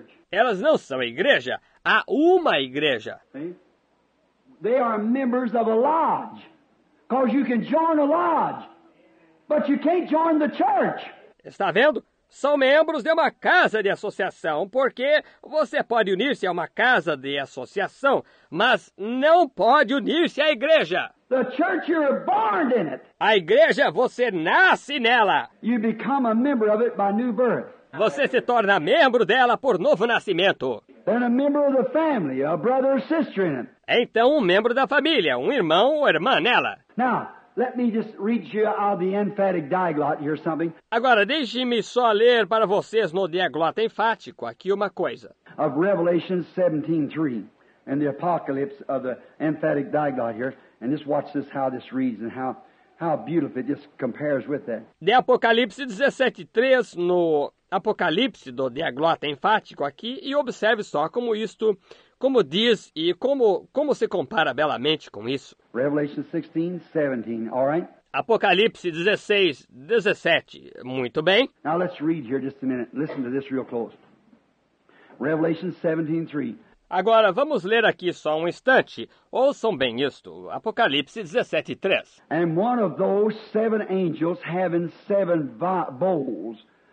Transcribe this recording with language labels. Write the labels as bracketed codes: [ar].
[pt] Elas não são igreja, há uma igreja. [en] They are members of a lodge, because you can join a lodge, but you can't join the church. [pt] Está vendo? São membros de uma casa de associação, porque você pode unir-se a uma casa de associação, mas não pode unir-se à igreja. [en] The church, you're born in it. [pt] A igreja, você nasce nela. [en] You become a member of it by new birth. [pt] Você se torna membro dela por novo nascimento. [en] Then a member of the family, a brother or sister in it. [pt] Então, um membro da família, um irmão ou irmã nela. [en] Now, let me just read you out of the emphatic diglot here something. [pt] Agora, deixe-me só ler para vocês no diglota enfático aqui uma coisa. [en] Of Revelation 17:3 and the apocalypse of the emphatic diglot here. And just watch this, how this reads and how beautiful it just compares with that. [pt] De Apocalipse 17:3 no Apocalipse do diglota enfático aqui e observe só como isto... Como diz e como se compara belamente com isso? [en] Revelation 16, 17, all right? [pt] Apocalipse 16, 17, muito bem. [en] Now let's read here just a minute. Listen to this real close. Revelation 17, 3. [pt] Agora vamos ler aqui só um instante. Ouçam bem isto. Apocalipse 17, 3. [en] And one of those seven angels having seven bowls.